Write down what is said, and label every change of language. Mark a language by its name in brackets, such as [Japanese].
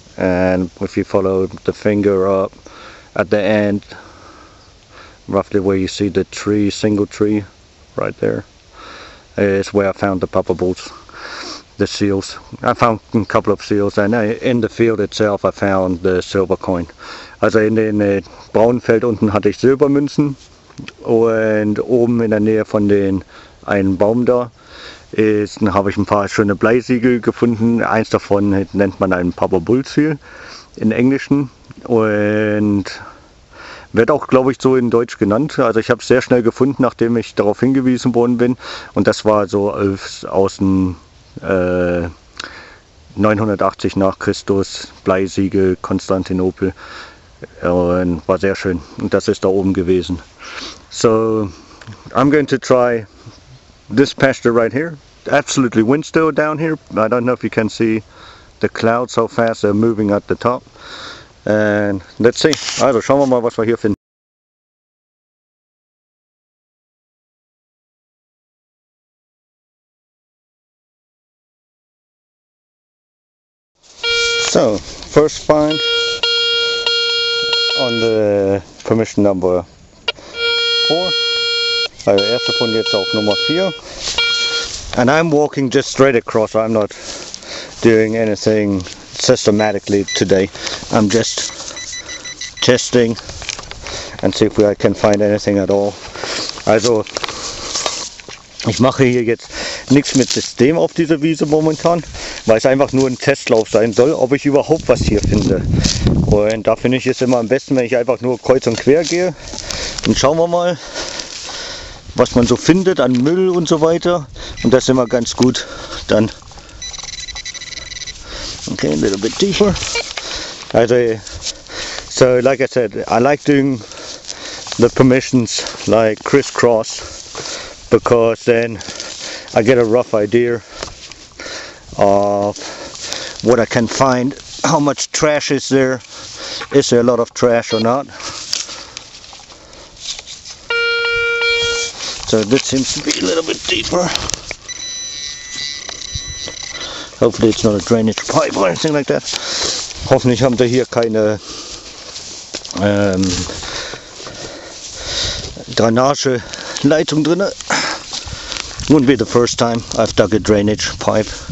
[English] And if you follow the finger up, at the end, roughly where you see the tree, single tree, right there, is where I found the papa bulls, the seals. I found a couple of seals, and in the field itself, I found the silver coin. [German] Also in den Braunfeld unten hatte ich Silbermünzen, und oben in der Nähe von den einen Baum da ist, dann habe ich ein paar schöne Bleisiegel gefunden. Eins davon nennt man einen papa bull seal in Englischen. Und wird auch, glaube ich, so in Deutsch genannt. Also ich habe es sehr schnell gefunden, nachdem ich darauf hingewiesen worden bin. Und das war so aus dem 980 nach Christus, Bleisiegel, Konstantinopel. Und war sehr schön. Und das ist da oben gewesen. [English] So, I'm going to try this pasture right here. Absolutely windstill down here. I don't know if you can see the clouds so fast. They're moving at the top. And let's see. [German] Also, schauen wir mal, was wir hier finden. [English] So, first find on the permission number 4. [German] Also, erste Fund jetzt auf Nummer 4. [English] And I'm walking just straight across. I'm not doing anything systematically today. I'm just testing and see if I can find anything at all. [German] Also, ich mache hier jetzt nichts mit System auf dieser Wiese momentan, weil es einfach nur ein Testlauf sein soll, ob ich überhaupt was hier finde. Und da finde ich es immer am besten, wenn ich einfach nur kreuz und quer gehe. Dann schauen wir mal, was man so findet an Müll und so weiter. Und das ist immer ganz gut. Dann okay, [English] a little bit deeper. So like I said, I like doing the permissions like crisscross, because then I get a rough idea of what I can find, how much trash is there a lot of trash or not. So this seems to be a little bit deeper. Hopefully it's not a drainage pipe or anything like that. [German] Hoffentlich haben wir hier keine Drainage-Leitung drin. [English] Wouldn't be the first time I've dug a drainage pipe.